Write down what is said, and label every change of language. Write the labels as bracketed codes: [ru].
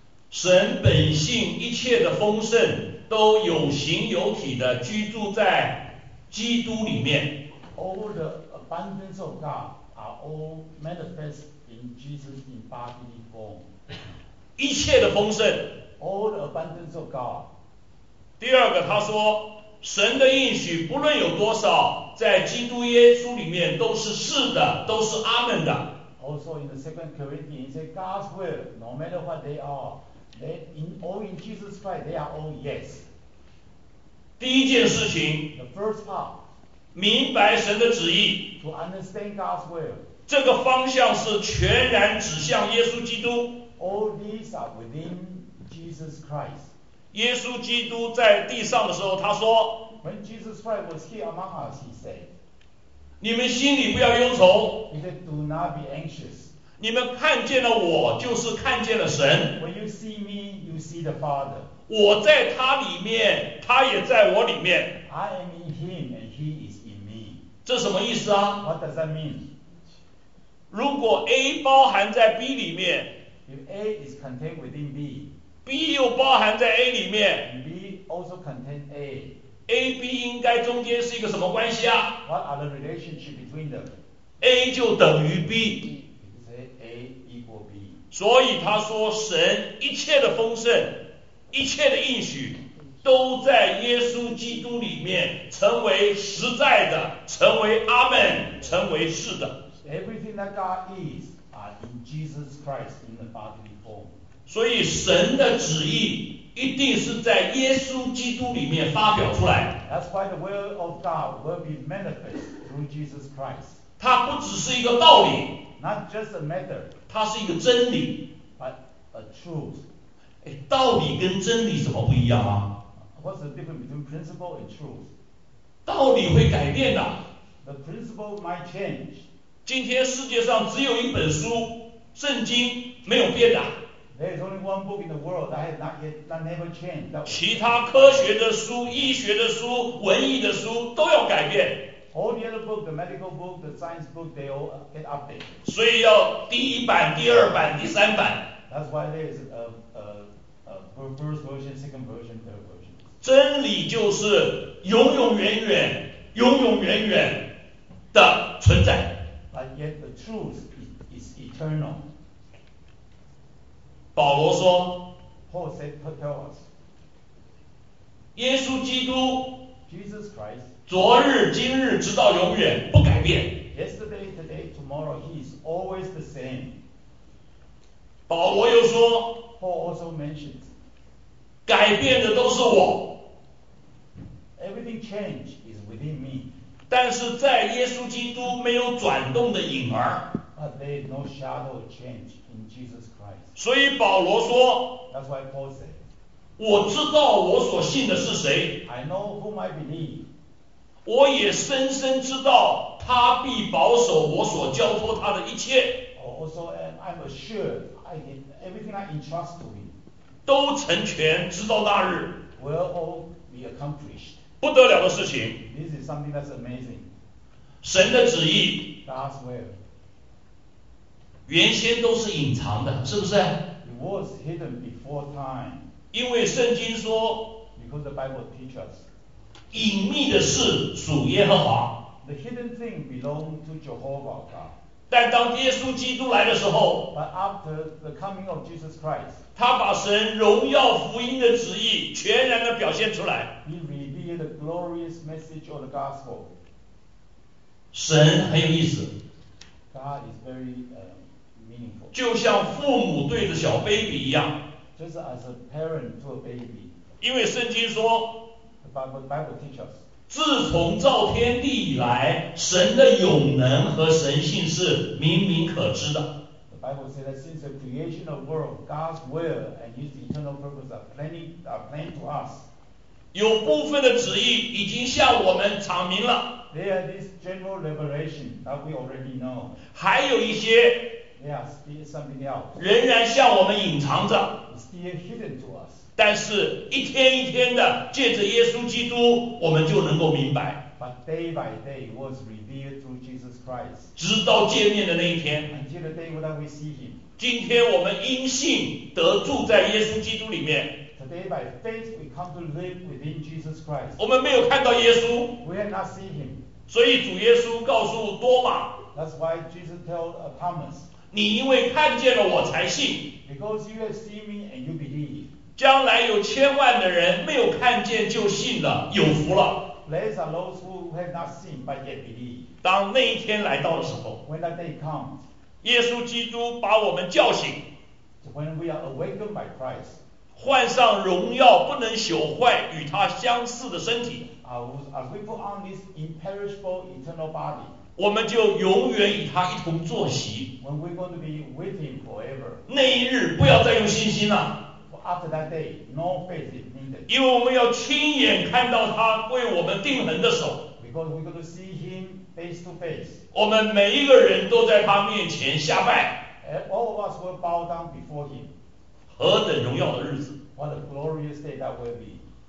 [zh] 神本性一切的丰盛都有形有体的居住在基督里面。 [en] All the abundance of God are all manifest. In Jesus in bodily form. [zh] 一切的丰盛。 [en] All the abundance of God. [zh] 第二个他说，神的应许不论有多少，在基督耶稣里面都是是的，都是阿们的。 [en] Also in the second Corinthians, it says God's will, no matter what they are, they in all in Jesus Christ, they are all yes. [zh] 第一件事情。 [en] The first part. [zh] 明白神的旨意。 [en] To understand God's will. [zh] 这个方向是全然指向耶稣基督。 [en] All these are within Jesus Christ. [zh] 耶稣基督在地上的时候，他说 [en] ：“When Jesus Christ was here among us, he said, [zh] 你们心里不要忧愁。 [en] He said, Do not be anxious. [zh] 你们看见了我，就是看见了神。 [en] When you see me, you see the Father. [zh] 我在他里面，他也在我里面。 [en] I am in him, and he is in me. [zh] 这什么意思啊 [en] ？What does that mean? [zh] 如果 A 包含在 B 里面 [en] ，If A is contained within B, [zh] B 又包含在 A 里面 [en] ，B also contains A. [zh] A B 应该中间是一个什么关系啊 [en] ？What are the relationship between them? [zh] A 就等于 B. [en] Say A equal B. [zh] 所以他说，神一切的丰盛，一切的应许，都在耶稣基督里面成为实在的，成为阿们，成为是的。 [en] Everything that God is are in Jesus Christ in the bodily form. [zh] 所以神的旨意一定是在耶稣基督里面发表出来。 [en] That's why the will of God will be manifest through Jesus Christ. [zh] 它不只是一个道理。 [en] Not just a matter. [zh] 它是一个真理。 [en] But a truth. [zh] 哎，道理跟真理怎么不一样啊？ [en] What's the difference between principle and truth? [zh] 道理会改变的。 [en] The principle might change. [zh] 今天世界上只有一本书，圣经没有变的。 [en] There is only one book in the world that has not yet, that never changed. [zh] 其他科学的书、医学的书、文艺的书都要改变。 [en] All the other books, the medical book, the science book, they all get updated. [zh] 所以要第一版、第二版、第三版。 [en] That's why there is a first version, second version, third version. [zh] 真理就是永永远远、永永远远的存在。 [en] But yet the truth is eternal. [zh] 保罗说 [en] Paul said, "Paul tell us, [zh] 耶稣基督 [en] Jesus Christ, [zh] 昨日今日直到永远不改变 [en] Yesterday, today, tomorrow, he is always the same." [zh] 保罗又说 [en] Paul also mentions, [zh] 改变的都是我 [en] Everything change is within me. [zh] 但是在耶稣基督没有转动的影儿 [en] But there is no shadow change in Jesus Christ. [zh] 所以保罗说 [en] That's why Paul said, [zh] 我知道我所信的是谁 [en] I know whom I believe. [zh] 我也深深知道他必保守我所交托他的一切 [en] Also, I'm assured I did everything I entrust to him. [zh] 都成全直到那日 [en] Will all be accomplished. [zh] 不得了的事情 [en] This is something that's amazing. [zh] 神的旨意 [en] God's will. [zh] 原先都是隐藏的，是不是 [en] ？It was hidden before time. [zh] 因为圣经说 [en] ，Because the Bible teaches, [zh] 隐秘的事属耶和华。 [en] The hidden thing belongs to Jehovah God. [zh] 但当耶稣基督来的时候 [en] ，But after the coming of Jesus Christ, [zh] 他把神荣耀福音的旨意全然的表现出来。 [en] He revealed the glorious message of the gospel. [zh] 神很有意思。 [en] God is very meaningful. [zh] 就像父母对着小 baby 一样 [en] Just as a parent to a baby. [zh] 因为圣经说 [en] The Bible teaches, [zh] 自从造天地以来神的永能和神性是明明可知的 [en] The Bible says that since the creation of the world God's will and his eternal purpose are plain to us. [zh] 有部分的旨意已经向我们阐明了 [en] There are this general revelation that we already know. [zh] 还有一些 [en] There are still something else. [zh] 仍然向我们隐藏着 [en] It's still hidden to us. [zh] 但是一天一天的借着耶稣基督我们就能够明白 [en] But day by day was revealed through Jesus Christ. [zh] 直到见面的那一天 [en] Until the day that we see him. [zh] 今天我们因信得住在耶稣基督里面 [en] Today by faith we come to live within Jesus Christ. [zh] 我们没有看到耶稣。 [en] We have not seen him. [zh] 所以主耶稣告诉多马。 [en] That's why Jesus told Thomas. [zh] 你因为看见了我才信。 [en] Because you have seen me and you believe. [zh] 将来有千万的人没有看见就信了，有福了。 [en] There are those who have not seen but yet believe. [zh] 当那一天来到的时候。 [en] When that day comes. [zh] 耶稣基督把我们叫醒。 [en] When we are awakened by Christ. [zh] 换上荣耀不能朽坏与他相似的身体 [en] As we put on this imperishable eternal body, [zh] 我们就永远与他一同坐席 [en] When we're going to be with him forever, [zh] 那一日不要再用信心了 [en] After that day, no faith is needed, [zh] 因为我们要亲眼看到他为我们钉痕的手 [en] Because we're going to see him face to face, [zh] 我们每一个人都在他面前下拜 [en] All of us will bow down before him. [zh] 何等荣耀的日子 [en] What a glorious day that will be.